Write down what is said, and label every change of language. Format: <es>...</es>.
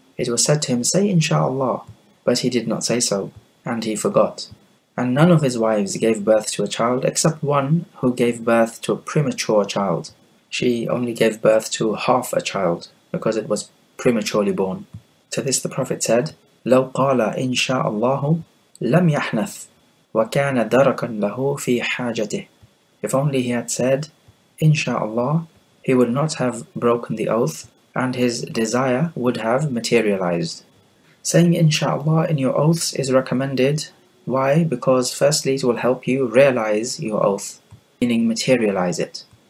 <en>It was said to him, say Insha'Allah, but he did not say so, and he forgot. And none of his wives gave birth to a child except one who gave birth to a premature child. She only gave birth to half a child because it was prematurely born. To this the Prophet said,</en> <ar>لو قال إنشاءالله لم يحنث وكان دركا له في حاجته.</ar> <en>If only he had said, Insha'Allah, he would not have broken the oath and his desire would have materialized. Saying Insha'Allah in your oaths is recommended. Why? Because firstly, it will help you realize your oath, meaning materialize it.</en>